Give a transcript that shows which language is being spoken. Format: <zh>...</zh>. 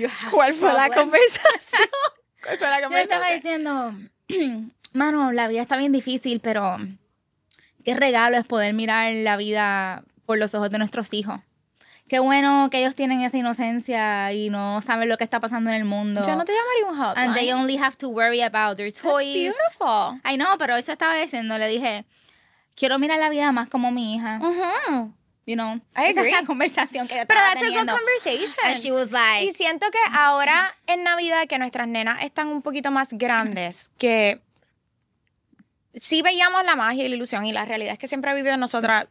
<es>¿Cuál fue la conversación? ¿Cuál fue la conversación? Yo estaba diciendo, mano, la vida está bien difícil, pero qué regalo es poder mirar la vida por los ojos de nuestros hijos. Qué bueno que ellos tienen esa inocencia y no saben lo que está pasando en el mundo. Yo no te llamaría un hotline.</es> <en>And they only have to worry about their toys. That's beautiful. I know,</en> <es>pero eso estaba diciendo, le dije... Quiero mirar la vida más como mi hija. Uh-huh.</es> <en>You know. I agree.</en> <es>Esa es la conversación que yo pero estaba</es> <en>that's</en> <es>teniendo.</es> <en>A good conversation. And she was like...</en> <es>Y siento que ahora en Navidad que nuestras nenas están un poquito más grandes, que sí veíamos la magia y la ilusión y la realidad es que siempre ha vivido nosotras...</es>